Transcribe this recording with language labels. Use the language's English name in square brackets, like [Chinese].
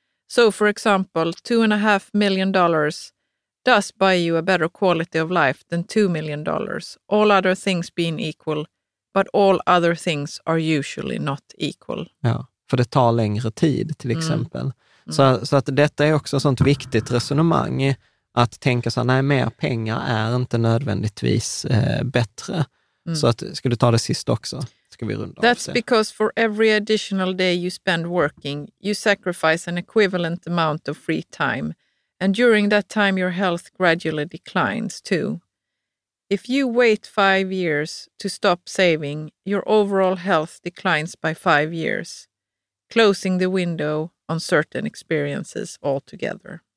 [English] So for example, $2.5 million does buy you a better quality of life than $2 million, all other things being equal, but all other things are usually not equal. [Swedish] Ja, för det tar längre tid till exempel. Mm. Så att detta är också ett sånt viktigt resonemang, att tänka så här, nej, mer pengar är inte nödvändigtvis bättre. Mm. Så att, ska du ta det sist också? Ska vi runda That's av? [English] Because for every additional day you spend working, you sacrifice an equivalent amount of free time. And during that time your health gradually declines too. If you wait 5 years to stop saving, your overall health declines by 5 years, closing the window on certain experiences altogether.